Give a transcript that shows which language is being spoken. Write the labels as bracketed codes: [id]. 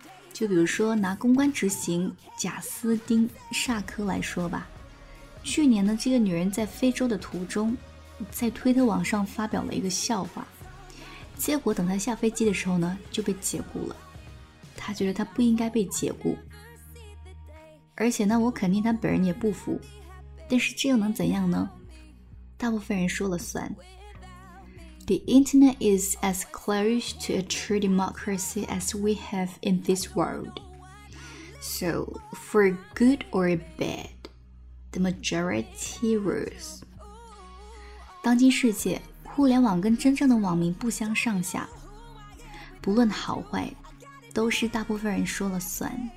[zh] 就比如说拿公关执行贾斯汀·萨科来说吧，去年呢，这个女人在非洲的途中，在推特网上发表了一个笑话，结果等她下飞机的时候呢，就被解雇了。她觉得她不应该被解雇，而且呢，我肯定她本人也不服，但是这又能怎样呢？大部分人说了算。 [en] The internet is as close to a true democracy as we have in this world. So, for good or bad, the majority rules. [zh] 当今世界，互联网跟真正的网民不相上下，不论好坏，都是大部分人说了算。